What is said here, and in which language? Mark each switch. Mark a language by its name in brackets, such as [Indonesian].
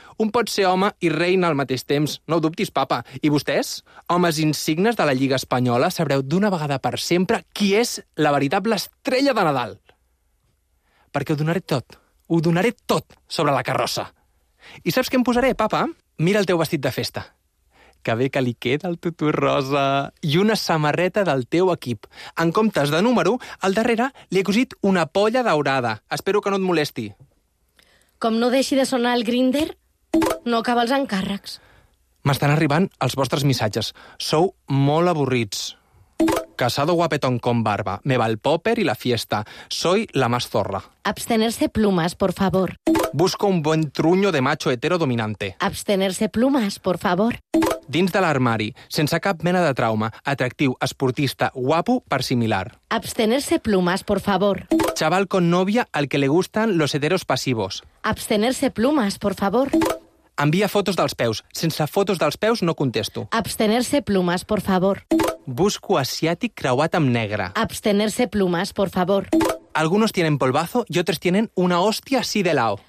[Catalan] Un pot ser home i reina al mateix temps, no ho dubtis, papa. I vostès, homes insignes de la Lliga Espanyola, sabreu d'una vegada per sempre qui és la veritable estrella de Nadal. Perquè ho donaré tot, ho donaré tot sobre la carrossa. I saps què em posaré, papa? Mira el teu vestit de festa. Que bé que li queda el tutú rosa. I una samarreta del teu equip. En comptes de número, al darrere li he cosit una polla daurada. Espero que no et molesti. Com no deixi de sonar el grinder, no acaba els encàrrecs. M'estan arribant els vostres missatges. Sou molt avorrits. [Spanish] Casado guapetón con barba. Me va el popper i la fiesta. Soy la más zorra. Abstenerse plumas, por favor. Busco un buen truño de macho hetero dominante. Abstenerse plumas, por favor. [Catalan] Dins de l'armari, sense cap mena de trauma, atractiu, esportista, guapo, per similar. [Spanish] Abstenerse plumas, por favor. Chaval con novia al que le gustan los heteros pasivos. Abstenerse plumas, por favor. [Catalan] Envia fotos dels peus. Sense fotos dels peus no contesto. [Spanish] Abstenerse plumas, por favor. [Catalan] Busco asiàtic creuat amb negre. [Spanish] Abstenerse plumas, por favor. Algunos tienen polvazo y otros tienen una hostia así de lao.